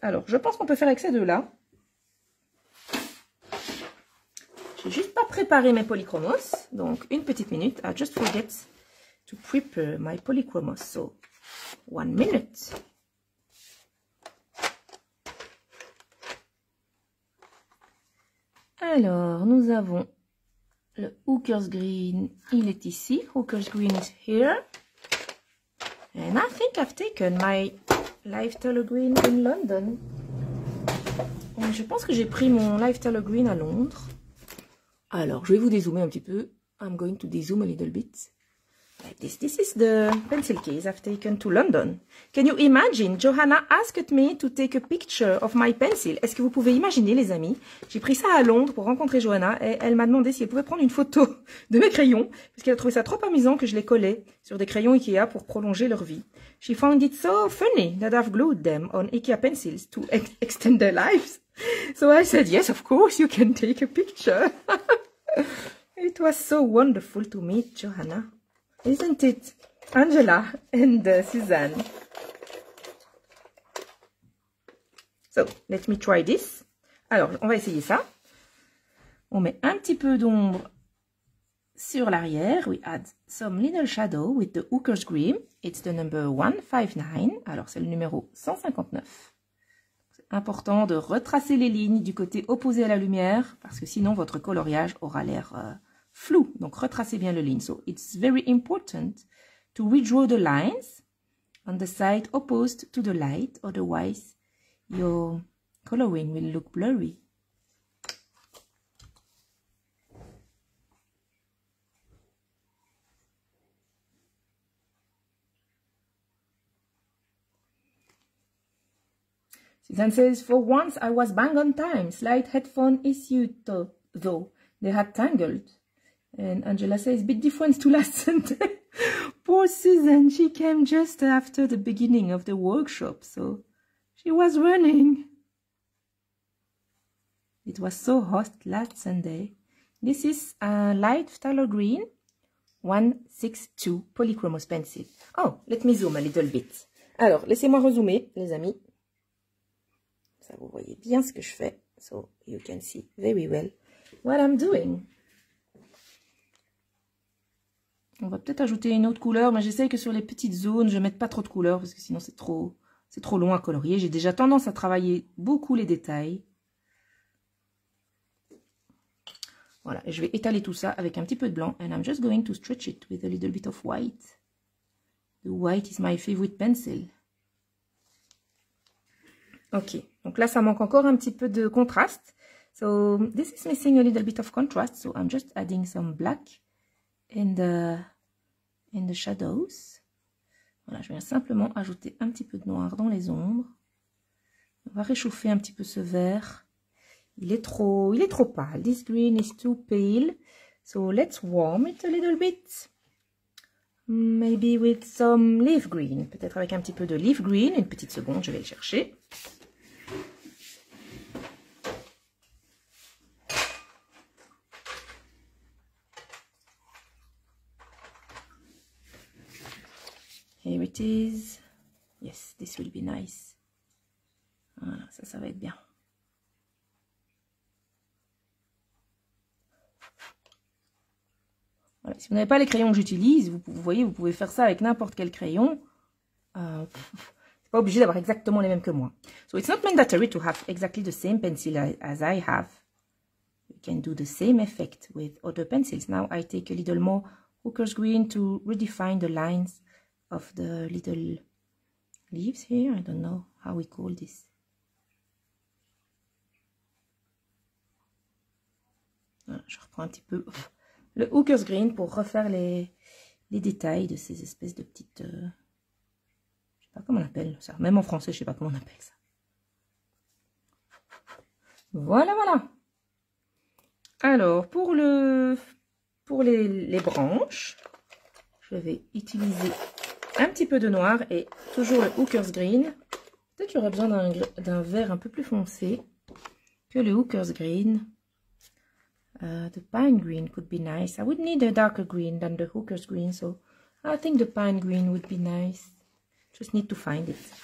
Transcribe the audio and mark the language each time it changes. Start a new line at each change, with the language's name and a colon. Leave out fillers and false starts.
French: Alors, je pense qu'on peut faire avec ces deux-là. J'ai juste pas préparé mes polychromos, donc une petite minute.
English: I just forget to prepare my polychromos, so 1 minute.
French: Alors, nous avons le Hooker's Green. Il est ici.
English: Hooker's Green is here. And I think I've taken my Lifetaller Green in London.
French: Bon, je pense que j'ai pris mon Lifetaller Green à Londres. Alors, je vais vous dézoomer un petit peu.
English: I'm going to dézoom a little bit. This is the pencil case I've taken to London. Can you imagine? Johanna asked me to take a picture of my pencil.
French: Est-ce que vous pouvez imaginer, les amis? J'ai pris ça à Londres pour rencontrer Johanna et elle m'a demandé si elle pouvait prendre une photo de mes crayons parce qu'elle a trouvé ça trop amusant que je les collais sur des crayons IKEA pour prolonger leur vie.
English: She found it so funny that I've glued them on IKEA pencils to extend their lives. So I said, yes, of course, you can take a picture. It was so wonderful to meet Johanna. Isn't it, Angela and Suzanne? So, let me try this.
French: Alors, on va essayer ça. On met un petit peu d'ombre sur l'arrière.
English: We add some little shadow with the Hooker's Green. It's the number 159.
French: Alors, c'est le numéro 159. C'est important de retracer les lignes du côté opposé à la lumière parce que sinon, votre coloriage aura l'air... flou, donc retracez bien le ligne.
English: So it's very important to redraw the lines on the side opposed to the light, otherwise your coloring will look blurry. Suzanne says, for once I was bang on time. Slight headphone issue though, they had tangled. And Angela says, big difference to last Sunday. Poor Susan, she came just after the beginning of the workshop, so she was running. It was so hot last Sunday. This is a light Phthalo Green 162 Polychromos Pencil. Oh, let me zoom a little bit.
French: Alors, laissez-moi rezoomer, les amis. Ça, vous voyez bien ce que je fais.
English: So, you can see very well what I'm doing.
French: On va peut-être ajouter une autre couleur, mais j'essaye que sur les petites zones, je ne mette pas trop de couleurs, parce que sinon c'est trop long à colorier. J'ai déjà tendance à travailler beaucoup les détails. Voilà, et je vais étaler tout ça avec un petit peu de blanc.
English: And I'm just going to stretch it with a little bit of white. The white is my favorite pencil.
French: Ok, donc là ça manque encore un petit peu de contraste.
English: So this is missing a little bit of contrast, so I'm just adding some black. In the shadows.
French: Voilà, je viens simplement ajouter un petit peu de noir dans les ombres. On va réchauffer un petit peu ce vert. Il est trop pâle.
English: This green is too pale. So let's warm it a little bit. Maybe with some leaf green.
French: Peut-être avec un petit peu de leaf green. Une petite seconde, je vais le chercher.
English: Here it is. Yes, this will be nice.
French: Voilà, ça va être bien. Voilà, si vous n'avez pas les crayons que j'utilise, vous pouvez faire ça avec n'importe quel crayon. C'est pas obligé d'avoir exactement les mêmes que moi.
English: So it's not mandatory to have exactly the same pencil as I have. You can do the same effect with other pencils. Now I take a little more Hooker's Green to redefine the lines of the little leaves here. I don't know how we call this.
French: Voilà, je reprends un petit peu le Hooker's Green pour refaire les détails de ces espèces de petites... je sais pas comment on appelle ça. Même en français, je sais pas comment on appelle ça. Voilà, voilà. Alors, pour les branches, je vais utiliser... un petit peu de noir et toujours le Hooker's Green. Peut-être j'aurais besoin d'un vert un peu plus foncé que le Hooker's Green.
English: The pine green could be nice. I would need a darker green than the Hooker's Green, so I think the pine green would be nice. Just need to find it.